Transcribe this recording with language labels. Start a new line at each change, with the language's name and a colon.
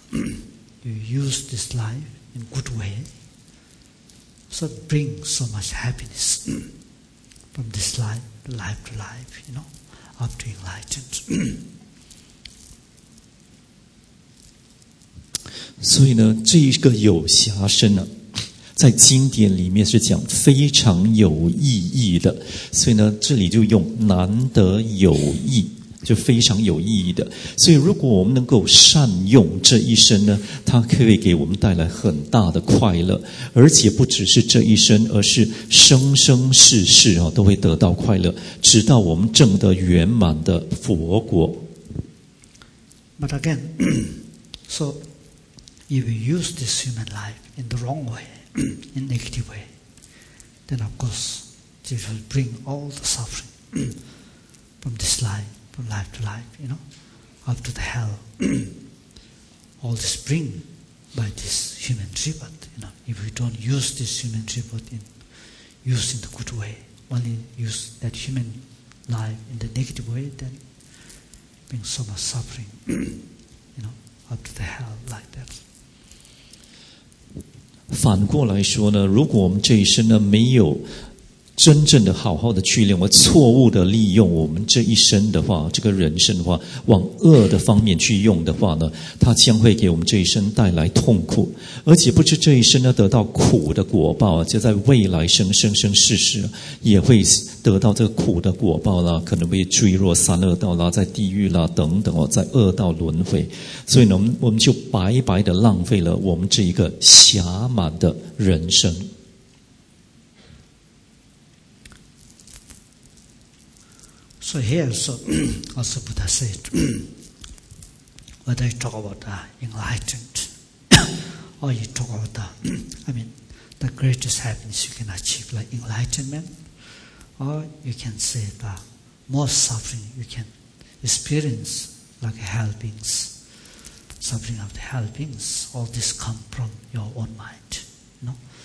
English: You use this life in good way, so it brings so much happiness from this life, life to life, you know, after enlightened.
Chinese: 所以呢，这一个有暇身呢，在经典里面是讲非常有意义的，所以呢，这里就用难得有意。就非常有意义的，所以如果我们能够善用这一生呢，它可以给我们带来很大的快乐，而且不只是这一生，而是生生世世啊都会得到快乐，直到我们证得圆满的佛果。
English: But again, so if we use this human life in the wrong way, in negative way, then of course this will bring all the suffering from this life. From life to life, you know, up to the hell. All this bring by this human tribute, you know, if we don't use this human tribute in, use in the good way, only use that human life in the negative way, then bring so much suffering, you know, up to the hell like that.
Chinese: 反过来说呢，如果我们这一生呢没有真正的好好的去练，我错误的利用我们这一生的话，这个人生的话，往恶的方面去用的话呢，它将会给我们这一生带来痛苦，而且不知这一生呢得到苦的果报，就在未来生生生世世也会得到这个苦的果报啦，可能会坠落三恶道啦，在地狱啦等等哦，在恶道轮回，所以呢，我们就白白的浪费了我们这一个暇满的人生。
English: So here also Buddha said, whether you talk about the enlightened or you talk about the greatest happiness you can achieve, like enlightenment, or you can say the most suffering you can experience, like hell beings, suffering of the hell beings, all this come from your own mind, you know?